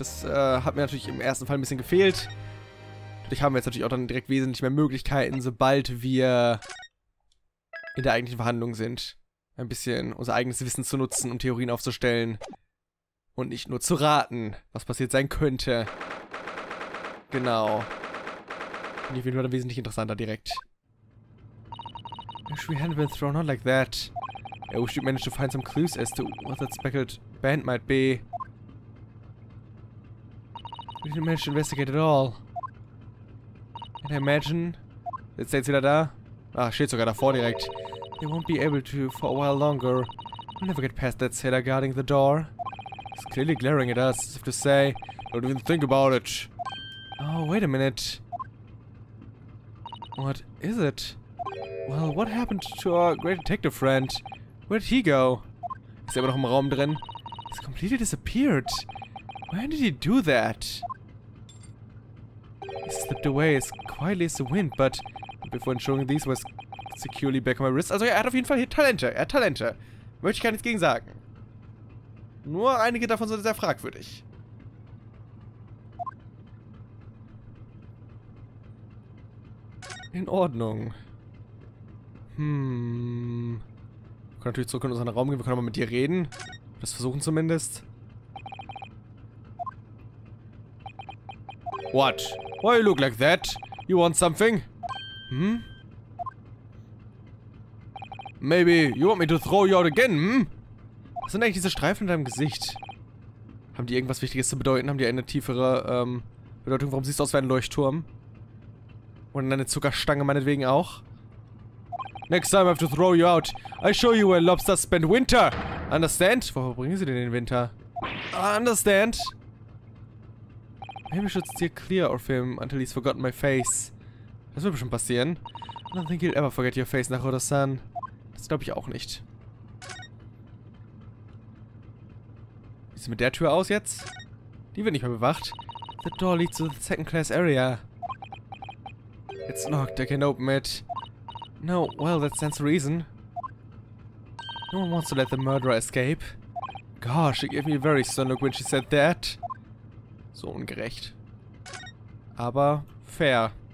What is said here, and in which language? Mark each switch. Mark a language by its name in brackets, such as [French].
[German] Das hat mir natürlich im ersten Fall ein bisschen gefehlt. Dadurch haben wir jetzt natürlich auch dann direkt wesentlich mehr Möglichkeiten, sobald wir in der eigentlichen Verhandlung sind, ein bisschen unser eigenes Wissen zu nutzen, um Theorien aufzustellen und nicht nur zu raten, was passiert sein könnte. Genau. Finde ich auf jeden Fall wesentlich interessanter direkt. [English] I wish we hadn't been thrown out like that. I wish you managed to find some clues as to what that speckled band might be. We didn't manage to investigate at all. Can I imagine? [German] Jetzt steht's wieder da. Ah, steht sogar davor direkt. [English] They won't be able to for a while longer. We'll never get past that sailor guarding the door. He's clearly glaring at us, as if to say, don't even think about it. Oh, wait a minute. What is it? Well, what happened to our great detective friend? Where did he go? [German] Ist er aber noch im Raum drin? [English] He's completely disappeared. When did he do that? He slipped away as quietly as the wind, but before ensuring these was securely back on my wrist. [German] Also ja, er hat auf jeden Fall hier Talente. Er hat Talente. Möchte ich gar nichts gegen sagen. Nur einige davon sind sehr fragwürdig. In Ordnung. Wir können natürlich zurück in unseren Raum gehen. Wir können aber mit dir reden. Das versuchen zumindest. [English] What? Why you look like that? You want something? Hm? Maybe you want me to throw you out again, hm? [German] Was sind eigentlich diese Streifen in deinem Gesicht? Haben die irgendwas Wichtiges zu bedeuten? Haben die eine tiefere Bedeutung? Warum siehst du aus wie ein Leuchtturm? Und eine Zuckerstange meinetwegen auch? [English] Next time I have to throw you out, I show you where lobsters spend winter. Understand? [German] Wo verbringen sie denn den Winter? [English] Understand? Maybe I should steer clear of him until he's forgotten my face. [German] Das wird bestimmt passieren. [English] I don't think he'll ever forget your face, Nakoda-san. [German] Das glaube ich auch nicht. Wie sieht es mit der Tür aus jetzt? Die wird nicht mehr bewacht. [English] The door leads to the second class area. It's locked, I can open it. No, well, that stands to reason. No one wants to let the murderer escape. Gosh, she gave me a very stern look when she said that. [German] So ungerecht. Aber fair.